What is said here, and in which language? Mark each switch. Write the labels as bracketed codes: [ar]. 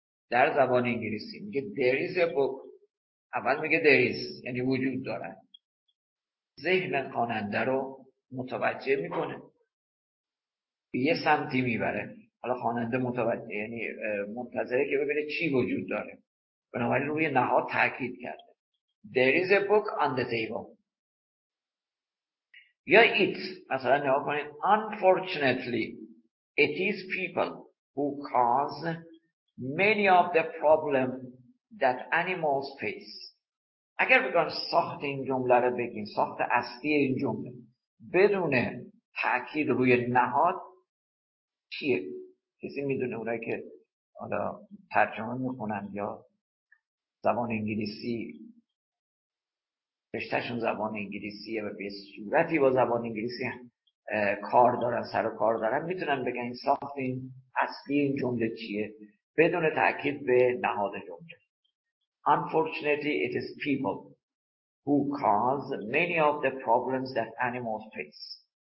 [fa] در زبان انگلیسی میگه [en] there is a book، [fa] اول میگه [en] there is [fa] یعنی وجود دارد، ذهن خواننده رو متوجه میکنه، به یه سمتی میبره، حالا خواننده متوجه یعنی منتظره که ببینه چی وجود داره، بنابراین روی نهاد تأکید کرده [en] there is a book on the table. [fa] یا [en] it [fa] مثلا نگاه کنید، [en] unfortunately it is people who cause many of the problem that animals face. [fa] اگر بگم ساخت این جمله رو بگیم، ساخت اصلی این جمله بدون تاکید روی نهاد چیه؟ کسی میدونه اونایی که حالا ترجمه میخونن یا زبان انگلیسی، رشتهشون زبان انگلیسیه و به صورتی با زبان انگلیسی کار دارن، سر و کار دارن، میتونن بگن این ساخت این اصلی این جمله چیه بدون تاکید به نهاد جمله. [en] Unfortunately, it is people who cause many of the problems that animals face.